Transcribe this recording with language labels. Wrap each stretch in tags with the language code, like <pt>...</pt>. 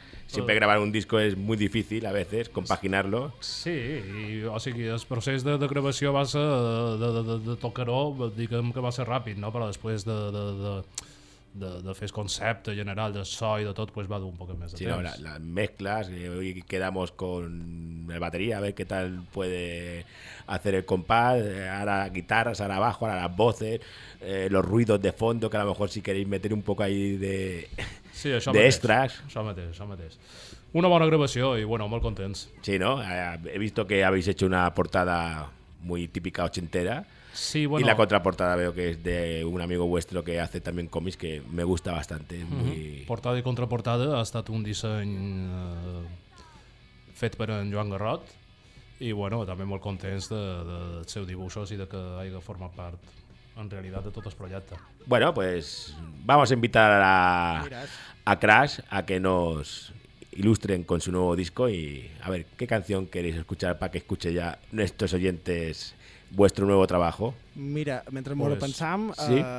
<ca>Sempre gravar un disco és molt difícil a vegades, compaginar-lo. Sí, i, o sigui, el procés de gravació va ser de tocar-ho, diguem que va ser ràpid, no? Però després de fer el concepte general de so i de tot, pues va dur un poc més de temps. Sí, no, les mescles,</ca> <es>hoy quedamos con la batería, a ver qué tal puede hacer el compás, ahora guitarras, ahora bajo, ahora las voces, los ruidos de fondo, que a lo mejor si queréis meter un poco ahí de...</es> <ca>Sí, això mateix, això mateix. Una bona gravació i, bueno, molt contents. Sí, no?</ca> <es>He visto que habéis hecho una portada muy típica ochentera. Sí, bueno. Y la contraportada veo que es de un amigo vuestro que hace también cómics, que me gusta bastante. Muy...</es> <ca>Portada i contraportada ha estat un disseny fet per en Joan Garrot. I, bueno, també molt contents dels seus dibuixos i de que haiga format part...</ca> <es>En realidad de todo es proyecto. Bueno, pues vamos a invitar a Crash a que nos ilustren con su nuevo disco y a ver qué canción queréis escuchar para que escuche ya nuestros oyentes vuestro nuevo trabajo. Mira, mientras pues, me lo pensam, ¿sí?</es>